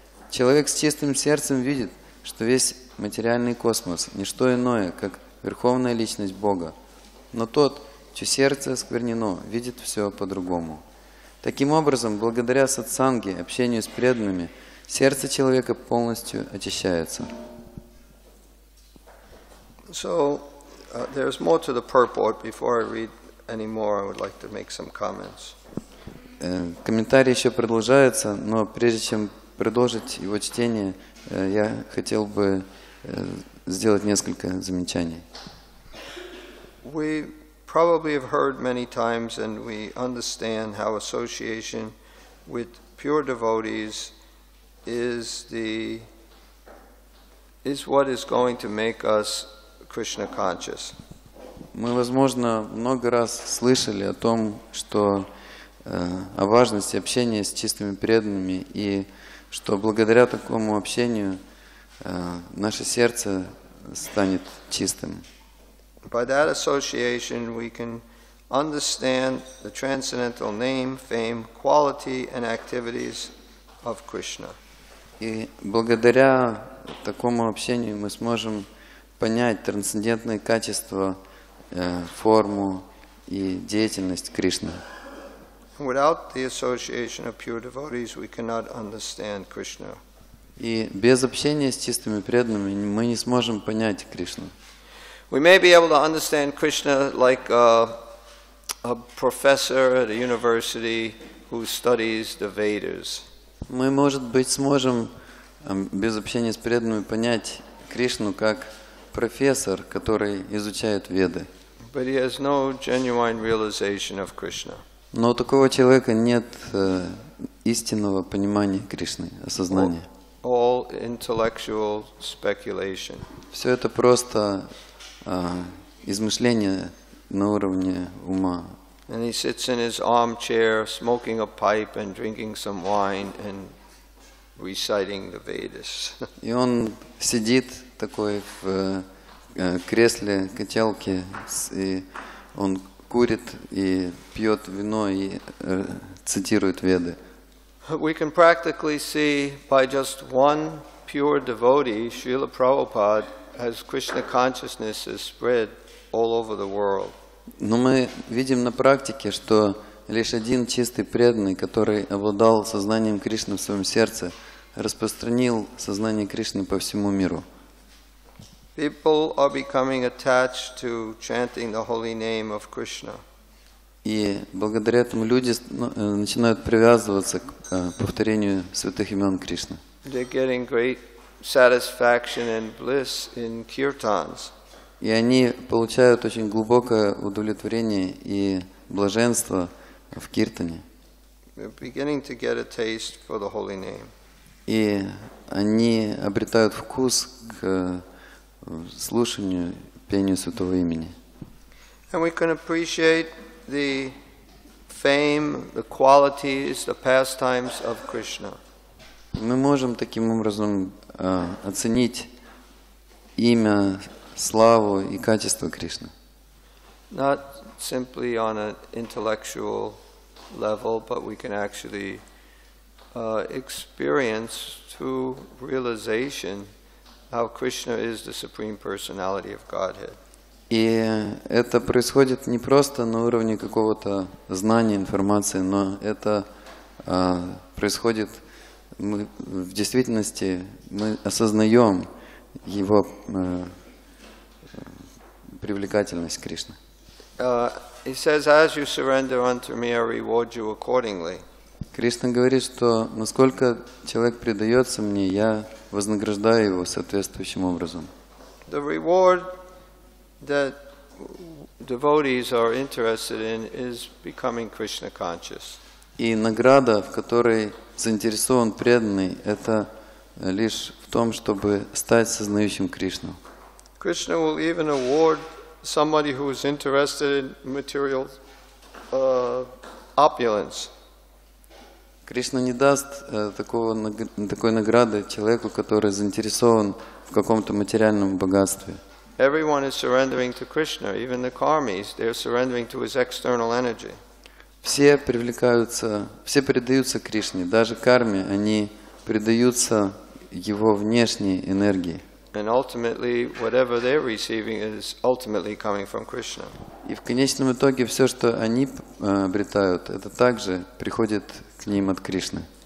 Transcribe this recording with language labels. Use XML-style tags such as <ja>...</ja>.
<ru>Человек с чистым сердцем видит, что весь материальный космос – ничто иное, как Верховная Личность Бога. Но тот, чье сердце осквернено, видит все по-другому. Таким образом, благодаря сатсанге, общению с преданными, сердце человека полностью очищается.</ru> <en>So, there's more to the purport. Before I read any more, I would like to make some comments.</en> <ru>Комментарий еще продолжается, но прежде чем продолжить его чтение, я хотел бы сделать несколько замечаний.</ru> <en>We probably have heard many times, and we understand how association with pure devotees is what is going to make us Krishna conscious.</en> <ru>Мы, возможно, много раз слышали о том, что о важности общения с чистыми преданными и что благодаря такому общению наше сердце станет чистым.</ru> <en>By that association we can understand the transcendental name, fame, quality and activities of Krishna.</en> <ru>И благодаря такому общению мы сможем понять трансцендентные качества, форму и деятельность Кришны.</ru> <en>Without the association of pure devotees, we cannot understand Krishna.</en> <ru>И без общения с чистыми преданными мы не сможем понять Кришну.</ru> <en>We may be able to understand Krishna like a professor at a university who studies the Vedas.</en> <ru>Мы, может быть, сможем без общения с преданными понять Кришну как профессор, который изучает Веды.</ru> <en>But he has no genuine realization of Krishna.</en> <ru>Но у такого человека нет истинного понимания Кришны, осознания.</ru> <en>All intellectual speculation.</en> <ru>Все это просто измышления на уровне ума.</ru> <en>And he sits in his armchair, smoking a pipe and drinking some wine and reciting the Vedas.</en> <ru>И он сидит такой в кресле качалки, и он курит и пьет вино и цитирует Веды.</ru> <en>We can practically see by just one pure devotee, Srila Prabhupada, as Krishna consciousness is spread all over the world.</en> <ru>Но мы видим на практике, что лишь один чистый преданный, который обладал сознанием Кришны в своем сердце, распространил сознание Кришны по всему миру.</ru> <en>People are becoming attached to chanting the holy name of Krishna.</en> <ru>И благодаря этому люди начинают привязываться к повторению святых имен Кришны.</ru> <en>They're getting great satisfaction and bliss in kirtans.</en> <ru>И они получают очень глубокое удовлетворение и блаженство в киртане.</ru> <en>They're beginning to get a taste for the holy name.</en> <ru>И они обретают вкус к слушанию, пению святого имени.</ru> <en>And we can appreciate the fame, the qualities, the pastimes of Krishna.</en> <ru>Мы можем таким образом оценить имя, славу и качество Кришны.</ru> <en>Not simply on an intellectual level, but we can actually experience through realization how Krishna is the Supreme Personality of Godhead.</en> <ru>И это происходит не просто на уровне какого-то знания, информации, но это происходит, мы в действительности мы осознаем его привлекательность Кришны.</ru> <en>He says, as you surrender unto me, I reward you accordingly.</en> <ru>Кришна говорит, что насколько человек предается мне, я вознаграждаю его соответствующим образом.</ru> <en>The reward that devotees are interested in is becoming Krishna conscious.</en> <ru>И награда, в которой заинтересован преданный, это лишь в том, чтобы стать сознающим Кришну.</ru> <en>Krishna will even award somebody who is interested in material opulence.</en> <ru>Кришна не даст такой награды человеку, который заинтересован в каком-то материальном богатстве.</ru> <en>Everyone is surrendering to Krishna, even the karmis, they're surrendering to his external energy.</en> <ru>Все привлекаются, все предаются Кришне, даже карме, они предаются его внешней энергии.</ru> <en>And ultimately, whatever they're receiving is ultimately coming from Krishna.</en> <ru>И в конечном итоге все, что они обретают, это также приходит к ним от Кришны.</ru>